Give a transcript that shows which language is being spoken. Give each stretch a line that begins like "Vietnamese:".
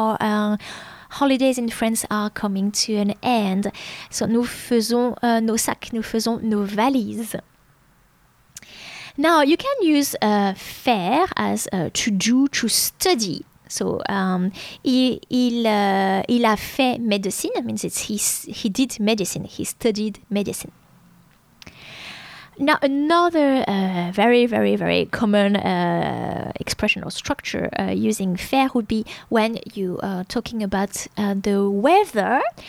English: Our holidays in France are coming to an end.
French: So nous faisons nos sacs, nous faisons nos valises.
English: Now, you can use faire as to do, to study.
French: So, il a fait médecine.
English: It means it's he did medicine. He studied medicine. Now, another very, very, very common expression or structure using faire would be when you are talking about the weather.